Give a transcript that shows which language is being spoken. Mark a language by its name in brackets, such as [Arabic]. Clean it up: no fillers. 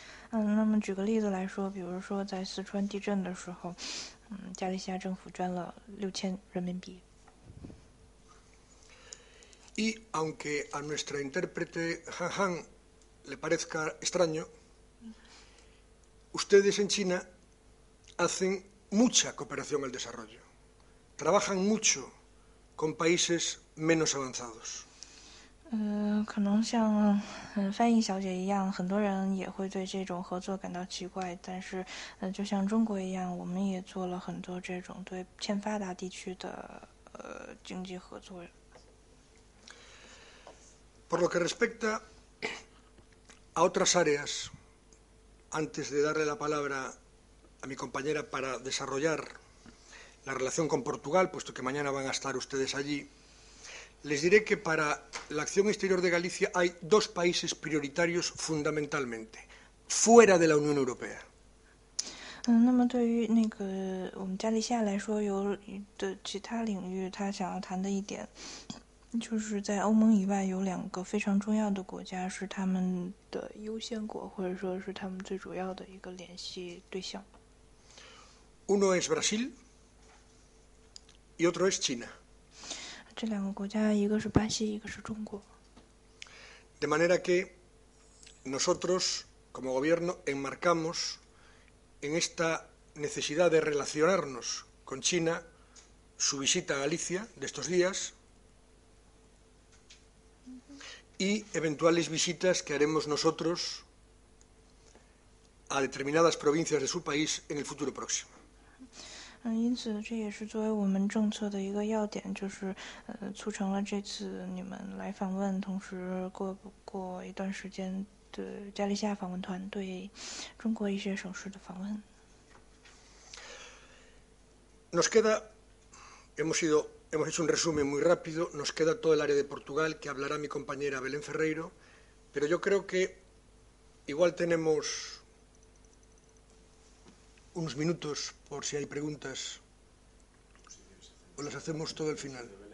[Chinese] 那么举个例子来说，比如说在四川地震的时候，加利西亚政府捐了6,000人民币。 [Spanish] Y aunque a nuestra intérprete Han Han le parezca extraño, ustedes en China hacen mucha cooperación al desarrollo. Trabajan mucho con países menos avanzados. [Chinese] 可能像翻译小姐一样，很多人也会对这种合作感到奇怪，但是就像中国一样，我们也做了很多这种对欠发达地区的经济合作。 [Spanish] Por lo que respecta a otras áreas, antes de darle la palabra a mi compañera para desarrollar la relación con Portugal, puesto que mañana van a estar ustedes allí,Les diré que para la acción exterior de Galicia hay dos países prioritarios fundamentalmente, fuera de la Unión Europea. [Chinese] 那么对于那个我们加利西亚来说，有的其他领域他想要谈的一点，就是在欧盟以外有两个非常重要的国家是他们的优先国，或者说是他们最主要的一个联系对象。 [Spanish] Uno es Brasil y otro es China. [Chinese] 这两个国家，一个是巴西，一个是中国。 [Spanish] De manera que nosotros como gobierno enmarcamos en esta necesidad de relacionarnos con China su visita a Galicia de estos días y eventuales visitas que haremos nosotros a determinadas provincias de su país en el futuro próximo. [Chinese] 因此这也是作为我们政策的一个要点，就是促成了这次你们来访问，同时过一段时间的加利西亚访问团对中国一些省市的访问。 [Spanish] Nos queda, hemos hecho un resumen muy rápido, nos queda todo el área de Portugal que hablará mi compañera Belén Ferreiro, pero yo creo que igual tenemos... unos minutos por si hay preguntas o las hacemos todo al final.